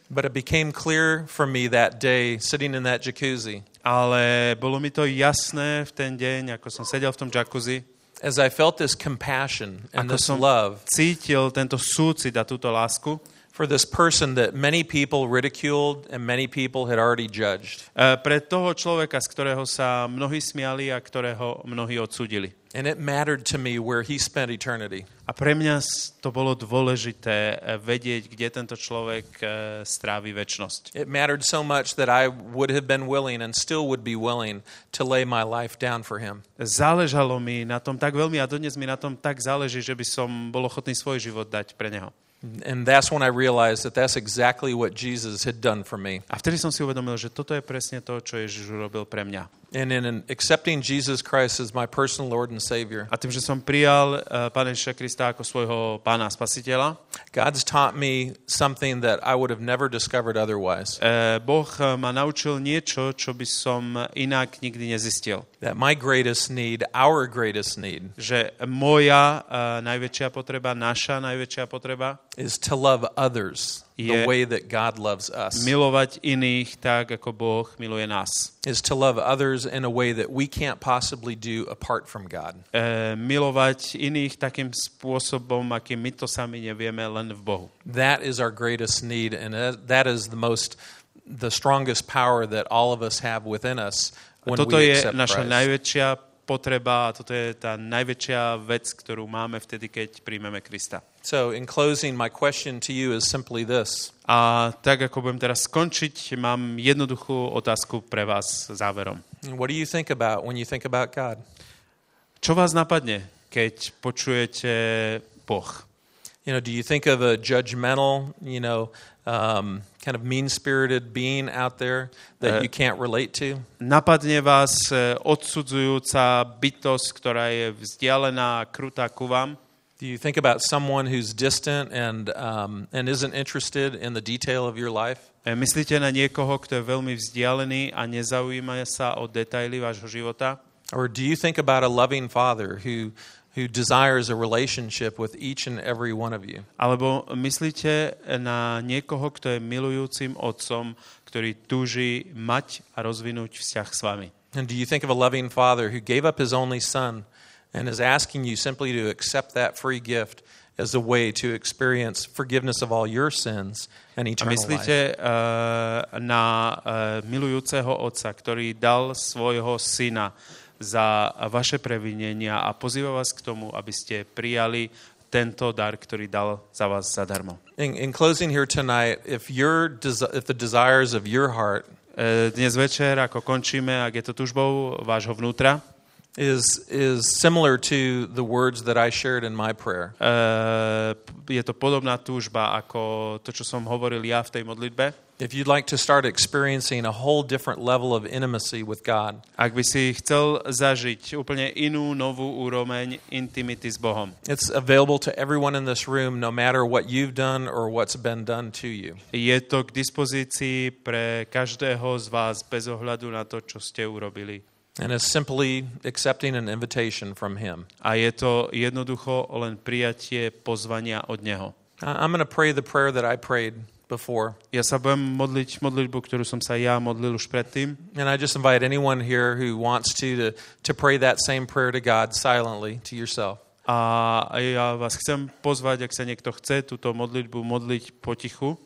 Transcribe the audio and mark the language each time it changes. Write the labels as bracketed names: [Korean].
[English] But it became clear for me that day sitting in that jacuzzi. [Slovak] Ale bolo mi to jasné v ten deň, ako som sedel v tom jacuzzi. [English] As I felt this compassion and this love. [Slovak] Cítil tento súcit a túto lásku. [English] for this person that many people ridiculed and many people had already judged. [Slovak] Pre toho človeka, z ktorého sa mnohí smiali a ktorého mnohí odsúdili. [English] And it mattered to me where he spent eternity. [Slovak] A pre mňa to bolo dôležité vedieť, kde tento človek strávi večnosť. [English] It mattered so much that I would have been willing and still would be willing to lay my life down for him. [Slovak] Záležalo mi na tom tak veľmi a dodnes mi na tom tak záleží, že by som bol ochotný svoj život dať pre neho. [English] And that's when I realized that that's exactly what Jesus had done for me. [Slovak] A vtedy som si uvedomil, že toto je presne to, čo Ježiš urobil pre mňa. [English] And in accepting Jesus Christ as my personal Lord and Savior. [Slovak] A tým, že som prijal Pána Ježiša Krista ako svojho Pána Spasiteľa. [English] God's taught me something that I would have never discovered otherwise. [Slovak] Boh ma naučil niečo, čo by som inak nikdy nezistil. [English] That my greatest need, our greatest need. [Slovak] Že moja najväčšia potreba, naša najväčšia potreba [English] is to love others the way that God loves us. [Slovak] Milovať iných tak, ako Boh miluje nás. [English] Is to love others in a way that we can't possibly do apart from God. [Slovak] Milovať iných takým spôsobom, akým my to sami nevieme len v Bohu. [English] That is our greatest need, and that is the most, the strongest power that all of us have within us when we accept Christ. [Slovak] Toto je naša najväčšia potreba, a toto je tá najväčšia vec, ktorú máme vtedy, keď príjmeme Krista. [English] So in closing, my question to you is simply this. [Slovak] A tak ako budem teraz skončiť, mám jednoduchú otázku pre vás záverom. [English] What do you think about when you think about God? [Slovak] Čo vás napadne, keď počujete Boh? [English] You know, do you think of a judgmental, you know, kind of mean-spirited being out there that you can't relate to? [Slovak] Napadne vás odsudzujúca bytosť, ktorá je vzdialená, krutá ku vám? [English] Do you think about someone who's distant and isn't interested in the detail of your life? [Slovak] Myslíte na niekoho, kto je veľmi vzdialený a nezaujíma sa o detaily vášho života? [English] Or do you think about a loving father who desires a relationship with each and every one of you? [Slovak] Alebo myslíte na niekoho, kto je milujúcim otcom, ktorý túži mať a rozvinúť vzťah s vami? [English] And do you think of a loving father who gave up his only son and is asking you simply to accept that free gift as a way to experience forgiveness of all your sins and eternal life? [Slovak] Myslíte na milujúceho otca, ktorý dal svojho syna za vaše previnenia a pozýva vás k tomu, aby ste prijali tento dar, ktorý dal za vás zadarmo. [English] In closing here tonight, if the desires of your heart, [Slovak] dnes večer, ako končíme, ak je to túžbou vášho vnútra, [English] is similar to the words that I shared in my prayer. [Slovak] Je to podobná túžba ako to, čo som hovoril ja v tej modlitbe. [English] If you'd like to start experiencing a whole different level of intimacy with God. [Slovak] Ak by si chcel zažiť úplne inú novú úroveň intimity s Bohom. [English] It's available to everyone in this room no matter what you've done or what's been done to you. [Slovak] Je to k dispozícii pre každého z vás bez ohľadu na to, čo ste urobili. [English] And it's simply accepting an invitation from him. [Slovak] A je to jednoducho len prijatie pozvania od neho. [English] I'm going to pray the prayer that I prayed before. [Slovak] Ja sa budem modliť modlitbu, ktorú som sa ja modlil už predtým. [English] And I just invite anyone here who wants to pray that same prayer to God silently to yourself. [Slovak] A ja vás chcem pozvať, ak sa niekto chce túto modlitbu modliť potichu.